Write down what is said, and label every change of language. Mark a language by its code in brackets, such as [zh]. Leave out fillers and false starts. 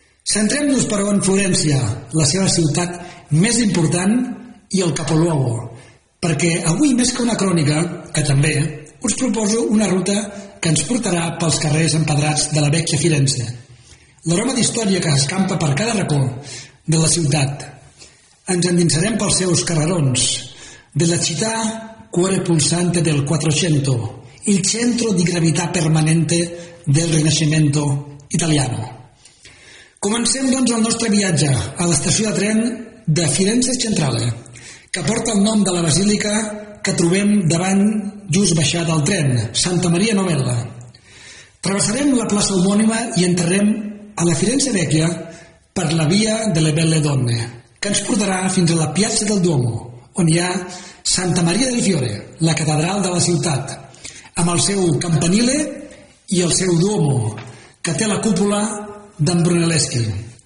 [ca] Centrem-nos, però, en Florència, la seva ciutat més important, i el capoluogo, perquè avui, més que una crònica, que també, us proposo una ruta que ens portarà pels carrers empedrats de la vecchia Firenze, l'aroma d'història que escampa per cada racó de la ciutat. Ens endinsarem pels seus carrerons, de la [it] città cuore pulsante del 400, il centro di gravità permanente del Rinascimento italiano. [ca] Comencem, doncs, el nostre viatge a l'estació de tren de Firenze Centrale, que porta el nom de la basílica que trobem davant, just baixat al tren, Santa Maria Novella. Travessarem la plaça homònima i entrarem a la Firenze Vecchia per la via delle Belle Donne, que ens portarà fins a la Piazza del Duomo, on hi ha Santa Maria del Fiore, la catedral de la ciutat, amb el seu campanile i el seu duomo, que té la cúpula d'en Brunelleschi.